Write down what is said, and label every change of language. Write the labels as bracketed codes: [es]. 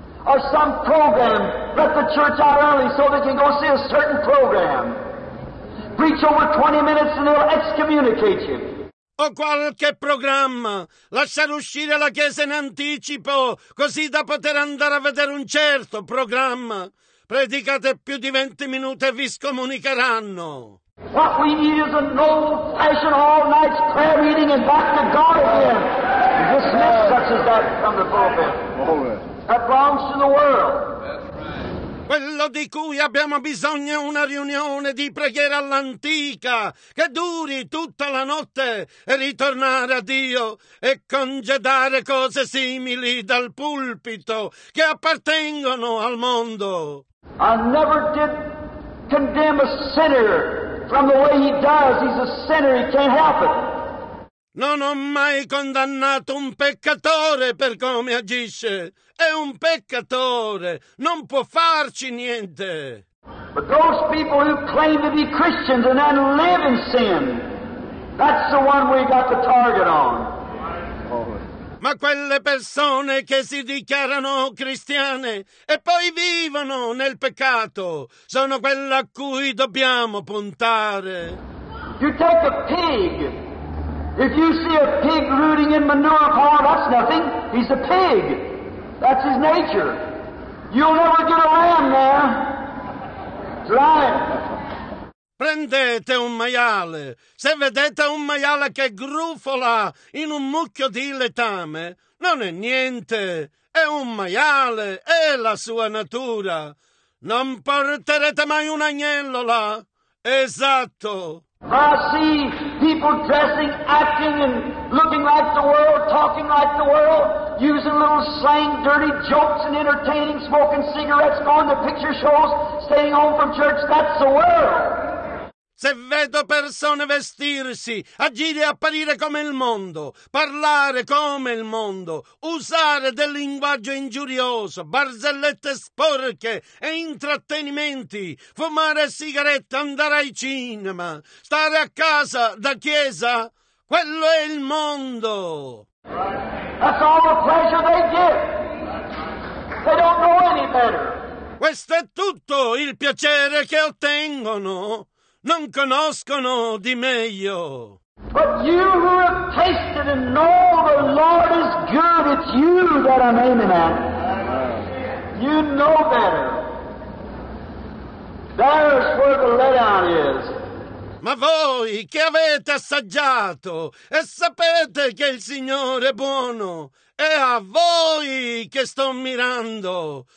[en] Or some program, let the church out early so they can go see a certain program. Preach over 20 minutes and they'll excommunicate you. [it] O qualche programma, lasciare uscire la Chiesa in anticipo, così da poter andare a vedere un certo programma. Predicate più di 20 minuti e vi scomunicheranno. [en] What we need is an old-fashioned all-night prayer meeting and back to God again. Dismiss such as that from the pulpit. That belongs to the world. [it] Quello di cui abbiamo bisogno è una riunione di preghiera all'antica che duri tutta la notte e ritornare a Dio e congedare cose simili dal pulpito che appartengono al mondo. [en] I never did condemn a sinner from the way he does. He's a sinner, he can't help it. [it] Non ho mai condannato un peccatore per come agisce. È un peccatore, non può farci niente. [en] But those people who claim to be Christians and then live in sin, that's the one we got the target on. [it] Ma quelle persone che si dichiarano cristiane e poi vivono nel peccato sono quelle a cui dobbiamo puntare. [en] You take a pig. If you see a pig rooting in manure pile, that's nothing. He's a pig. That's his nature. You'll never get a lamb there. It's lying. [it] Prendete un maiale. Se vedete un maiale che grufola in un mucchio di letame, non è niente. È un maiale. È la sua natura. Non porterete mai un agnello là. Esatto. [en] I see people dressing, acting, and looking like the world, talking like the world, using little slang, dirty jokes, and entertaining, smoking cigarettes, going to picture shows, staying home from church. That's the world. [it] Se vedo persone vestirsi, agire e apparire come il mondo, parlare come il mondo, usare del linguaggio ingiurioso, barzellette sporche e intrattenimenti, fumare sigarette, andare ai cinema, stare a casa da chiesa, quello è il mondo. [en] That's all the pleasure they get. They don't know any better. [it] Questo è tutto il piacere che ottengono, non conoscono di meglio. [en] But you who have tasted and know the Lord is good, it's you that I'm aiming at. You know better. There's where the letdown is. [it] Ma voi che avete assaggiato e sapete che il Signore è buono, è a voi che sto mirando.